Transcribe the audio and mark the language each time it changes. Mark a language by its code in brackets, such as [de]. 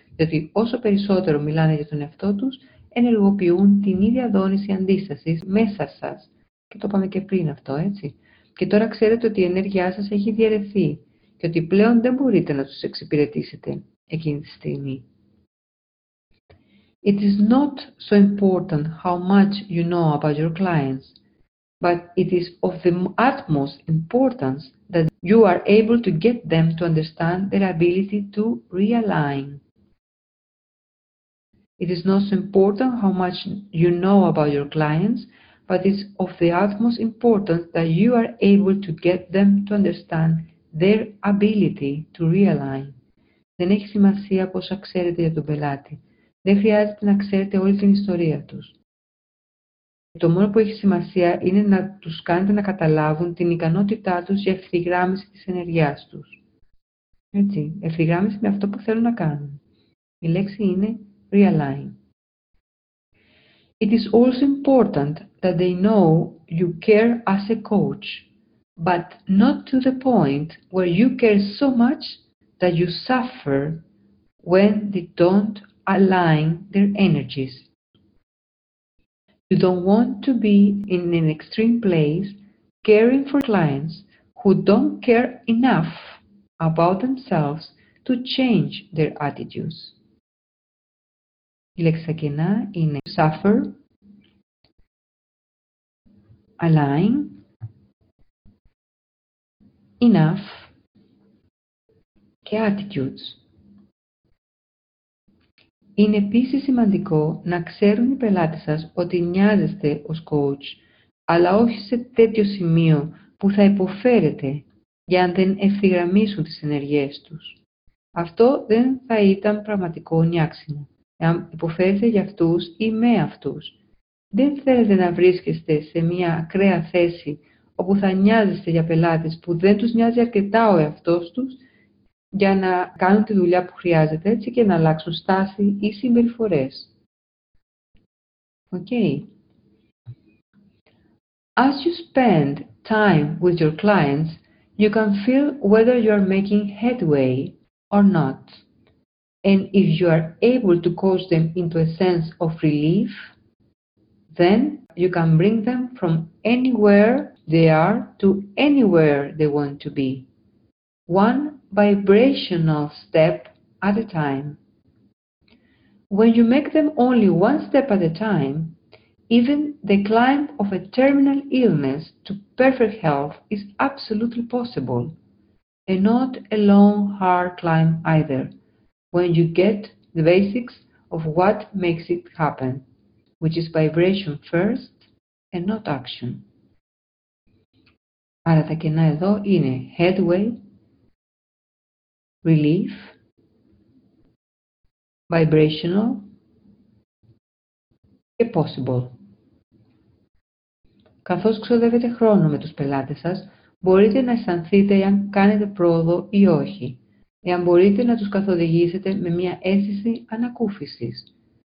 [el] Διότι όσο περισσότερο μιλάνε για τον εαυτό τους, ενεργοποιούν την ίδια δόνηση αντίστασης μέσα σας. Και το είπαμε και πριν αυτό, έτσι. Και τώρα ξέρετε ότι η ενέργειά σας έχει διαιρεθεί και ότι πλέον δεν μπορείτε να τους εξυπηρετήσετε εκείνη τη στιγμή. [en] It is not so important how much you know about your clients, but it is of the utmost importance that you are able to get them to understand their ability to realign. It is not so important how much you know about your clients, but it's of the utmost importance that you are able to get them to understand their ability to realign. [el] Δεν έχει σημασία πόσα ξέρετε για τον πελάτη. Δεν χρειάζεται να ξέρετε όλη την ιστορία τους. Το μόνο που έχει σημασία είναι να τους κάνετε να καταλάβουν την ικανότητά τους για ευθυγράμμιση της ενεργειάς τους. Έτσι, ευθυγράμμιση με αυτό που θέλουν να κάνουν. Η λέξη είναι realign. [en] It is also important that they know you care as a coach, but not to the point where you care so much that you suffer when they don't align their energies. You don't want to be in an extreme place caring for clients who don't care enough about themselves to change their attitudes. [el] Η λέξη ακινά είναι suffer, align, enough και attitudes. Είναι επίσης σημαντικό να ξέρουν οι πελάτες σας ότι νοιάζεστε ως coach αλλά όχι σε τέτοιο σημείο που θα υποφέρετε για να δεν ευθυγραμμίσουν τις ενεργές τους. Αυτό δεν θα ήταν πραγματικό νιάξιμο. Αν υποφέρετε για αυτούς ή με αυτούς. Δεν θέλετε να βρίσκεστε σε μια ακραία θέση όπου θα νοιάζεστε για πελάτες που δεν τους νοιάζει αρκετά ο εαυτός τους για να κάνουν τη δουλειά που χρειάζεται έτσι και να αλλάξουν στάση ή συμπεριφορές. [en] Okay. As you spend time with your clients, you can feel whether you are making headway or not. And if you are able to coach them into a sense of relief, then you can bring them from anywhere they are to anywhere they want to be, one vibrational step at a time. When you make them only one step at a time, even the climb of a terminal illness to perfect health is absolutely possible, and not a long, hard climb either, when you get the basics of what makes it happen, which is vibration first and not action. [el] Άρα τα κενά εδώ είναι headway, relief, vibrational και possible. Καθώς ξοδεύετε χρόνο με τους πελάτες σας, μπορείτε να αισθανθείτε αν κάνετε πρόοδο ή όχι, εάν μπορείτε να τους καθοδηγήσετε με μια αίσθηση ανακούφισης.